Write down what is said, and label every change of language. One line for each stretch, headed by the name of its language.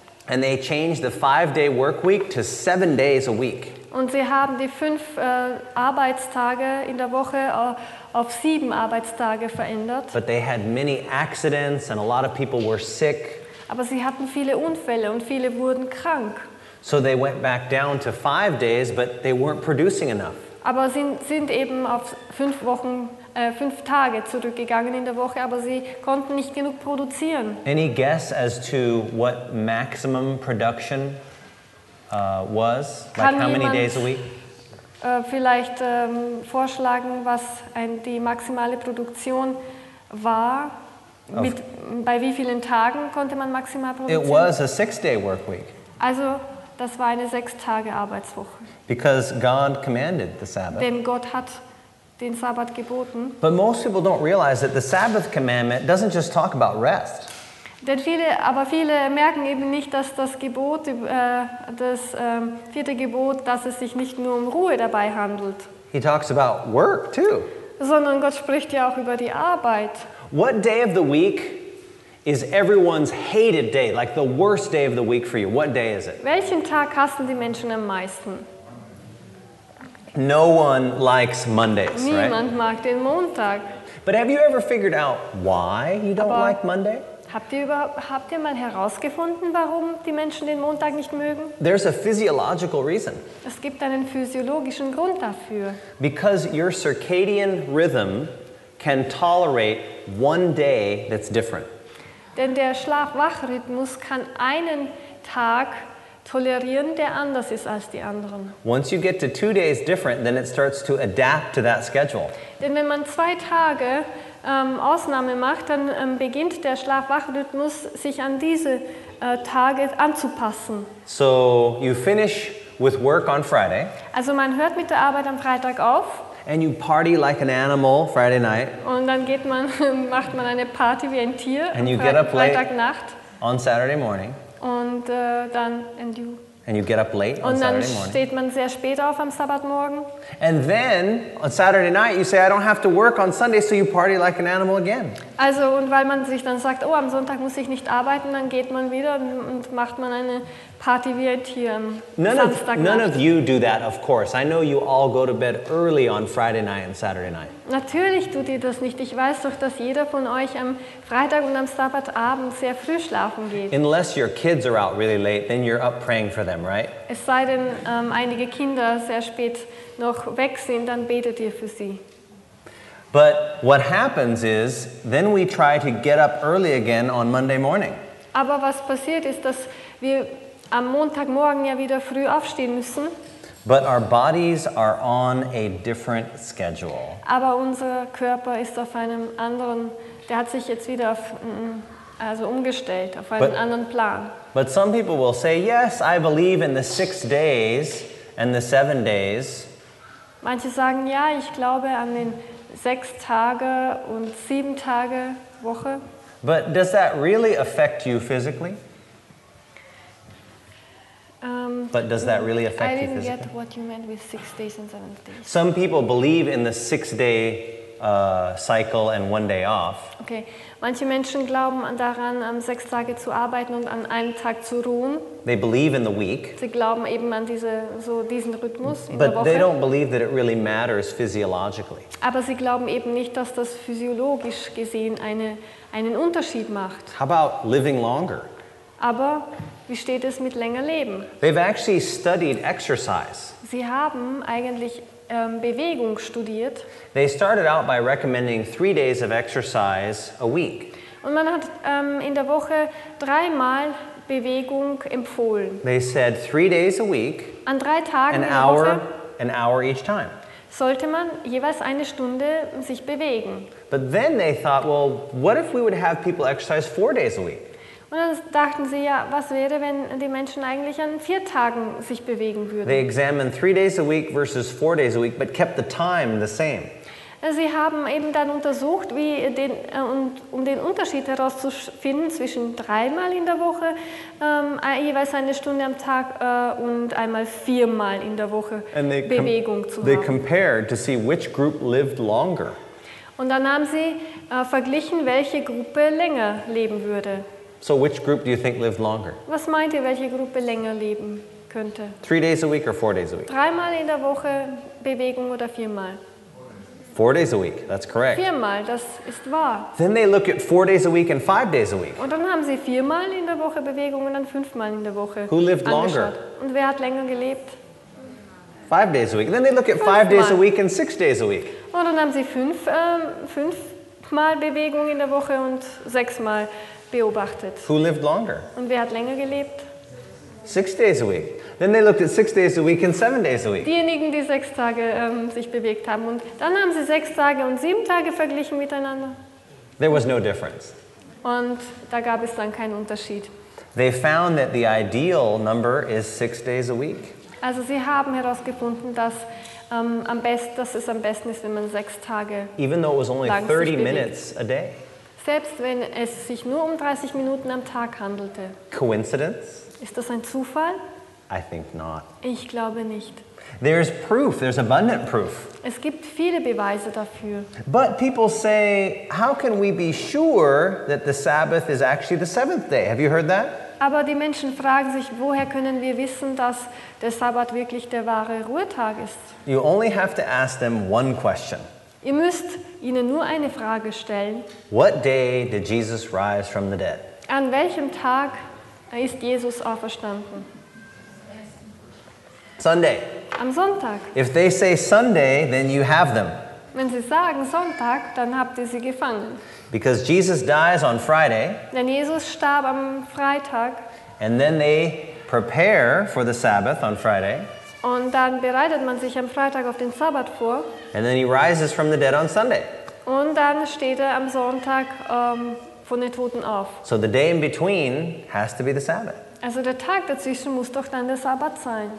English: And they changed the 5-day work week to 7 days a week.
German: Und sie haben die 5 Arbeitstage in der Woche auf 7 Arbeitstage verändert.
English: But they had many accidents and a lot of people were sick.
German: Aber sie hatten viele Unfälle und viele wurden krank.
English: So they went back down to 5 days, but they weren't producing enough.
German: Aber sind eben auf 5 Tage zurückgegangen in der Woche, aber sie konnten nicht genug produzieren.
English: Any guess as to what maximum production was?
German: Kann
English: like how many days a week?
German: Vielleicht vorschlagen, was die maximale Produktion war. Bei wie vielen Tagen konnte man maximal produzieren?
English: It was a 6-day work week.
German: Also, das war eine 6-Tage Arbeitswoche.
English: Because God commanded the Sabbath.
German: Denn Gott hat den Sabbat geboten.
English: But most people don't realize that the Sabbath commandment doesn't just talk about rest.
German: Denn viele merken eben nicht, dass das Gebot, das vierte Gebot, dass es sich nicht nur um Ruhe dabei handelt.
English: He talks about work too.
German: Sondern Gott spricht ja auch über die Arbeit.
English: What day of the week is everyone's hated day, like the worst day of the week for you? What day is it?
German: Welchen Tag hassen die Menschen am meisten?
English: No one likes Mondays,
German: niemand
English: right?
German: Niemand mag den Montag.
English: But have you ever figured out why you don't like Monday?
German: Habt ihr mal herausgefunden, warum die Menschen den Montag nicht mögen?
English: There's a physiological reason.
German: Es gibt einen physiologischen Grund dafür.
English: Because your circadian rhythm can tolerate one day that's different.
German: Denn der Schlaf-Wach-Rhythmus kann einen Tag tolerieren, der anders ist als die anderen.
English: Once you get to 2 days different, then it starts to adapt to that schedule.
German: Denn wenn man 2 Tage Ausnahme macht, dann beginnt der Schlaf-Wach-Rhythmus sich an diese Tage anzupassen.
English: So you finish with work on Friday.
German: Also man hört mit der Arbeit am Freitag auf.
English: And you party like an animal Friday night.
German: Und dann macht man eine Party wie ein Tier.
English: And you get up late
German: Freitagnacht.
English: On Saturday morning.
German: Und dann
English: and you get up late
German: und
English: on
German: dann
English: Saturday morning.
German: Steht man sehr spät auf am Sabbatmorgen.
English: And then on Saturday night you say I don't have to work on Sunday, so you party like an animal again.
German: Also und weil man sich dann sagt, oh, am Sonntag muss ich nicht arbeiten, dann geht man wieder und macht man eine Party wie ein Tier am Samstagnacht.
English: None of you do that, of course. I know you all go to bed early on Friday night and Saturday night.
German: Natürlich tut ihr das nicht. Ich weiß doch, dass jeder von euch am Freitag und am Sabbatabend sehr früh schlafen geht.
English: Unless your kids are out really late, then you're up praying for them, right?
German: Es sei denn, einige Kinder sehr spät noch weg sind, dann betet ihr für sie.
English: But what happens is, then we try to get up early again on Monday morning.
German: Aber was passiert ist, dass wir am Montagmorgen ja wieder früh aufstehen müssen.
English: But our bodies are on a different schedule.
German: Aber unser Körper ist auf einem anderen, der hat sich jetzt wieder umgestellt auf einen anderen Plan.
English: But some people will say, yes, I believe in the 6 days and the 7 days.
German: Manche sagen, ja, ich glaube an den 6 Tage und 7 Tage Woche.
English: But does that really affect you physically? But does that really affect you physically? I didn't get what you meant with 6 days and 7 days. Some people believe in the 6-day cycle and 1 day off.
German: Okay, manche Menschen glauben daran, 6 Tage zu arbeiten und an einem Tag zu ruhen.
English: They believe in the week.
German: Sie glauben eben an diesen Rhythmus in der Woche.
English: But they don't believe that it really matters physiologically.
German: Aber sie glauben eben nicht, dass das physiologisch gesehen einen Unterschied macht.
English: How about living longer?
German: Aber wie steht es mit länger leben?
English: They've actually studied exercise.
German: Sie haben eigentlich Bewegung studiert.
English: They started out by recommending 3 days of exercise a week.
German: Und man hat in der Woche 3-mal Bewegung empfohlen.
English: They said 3 days a week.
German: An 3 Tagen
English: an hour, an hour each time.
German: Sollte man jeweils eine Stunde sich bewegen.
English: But then they thought, well, what if we would have people exercise 4 days a week?
German: Und dann dachten sie, ja, was wäre, wenn die Menschen eigentlich an 4 Tagen sich bewegen würden?
English: They examined 3 days a week versus 4 days a week, but kept the time the same.
German: Sie haben eben dann untersucht, um den Unterschied herauszufinden zwischen 3-mal in der Woche, jeweils eine Stunde am Tag und einmal 4-mal in der Woche Bewegung zu haben.
English: They compared to see which group lived longer.
German: Und dann haben sie verglichen, welche Gruppe länger leben würde.
English: So which group do you think lived longer?
German: Was meint ihr, welche Gruppe länger leben könnte.
English: 3 days a week or 4 days a week?
German: 3 Mal in der Woche Bewegung oder 4 Mal.
English: 4 days a week, that's correct.
German: 4 Mal, das ist wahr.
English: Then they look at 4 days a week and 5 days a week.
German: Und dann haben sie 4 Mal in der Woche Bewegung und dann 5 Mal in der Woche.
English: Who lived longer?
German: Und wer hat länger gelebt?
English: 5 days a week. Then they look at 5 days a week and 6 days a week.
German: Und dann haben sie 5 Mal Bewegung in der Woche und 6 Mal beobachtet.
English: Who lived longer?
German: Und wer hat länger gelebt?
English: 6 days a week. Then they looked at 6 days a week and 7 days a week.
German: Diejenigen, die 6 Tage sich bewegt haben. Und dann haben sie 6 Tage und 7 Tage verglichen miteinander.
English: There was no difference.
German: Und da gab es dann keinen Unterschied.
English: They found that the ideal number is 6 days a week.
German: Also sie haben herausgefunden, dass es am besten ist, wenn man 6 Tage lang sich bewegt.
English: Even though it was only 30 minutes a day.
German: Selbst wenn es sich nur um 30 Minuten am Tag handelte.
English: Coincidence?
German: Ist das ein Zufall?
English: I think not.
German: Ich glaube nicht.
English: There's proof, there's abundant proof.
German: Es gibt viele Beweise dafür.
English: But people say, how can we be sure that the Sabbath is actually the seventh day? Have you heard that?
German: Aber die Menschen fragen sich, woher können wir wissen, dass der Sabbat wirklich der wahre Ruhetag ist?
English: You only have to ask them one question.
German: Ihr müsst ihnen nur eine Frage stellen.
English: What day did Jesus rise from the dead?
German: An welchem Tag ist Jesus auferstanden?
English: Sunday.
German: Am Sonntag.
English: If they say Sunday, then you have them.
German: Wenn sie sagen Sonntag, dann habt ihr sie gefangen.
English: Because Jesus dies on Friday.
German: Denn Jesus starb am Freitag.
English: And then they prepare for the Sabbath on Friday.
German: Und dann bereitet man sich am Freitag auf den Sabbat vor.
English: And then he rises from the dead on Sunday.
German: Und dann steht am Sonntag von den Toten auf.
English: So the day in between has to be the Sabbath.
German: Also der Tag dazwischen muss doch dann der Sabbat sein.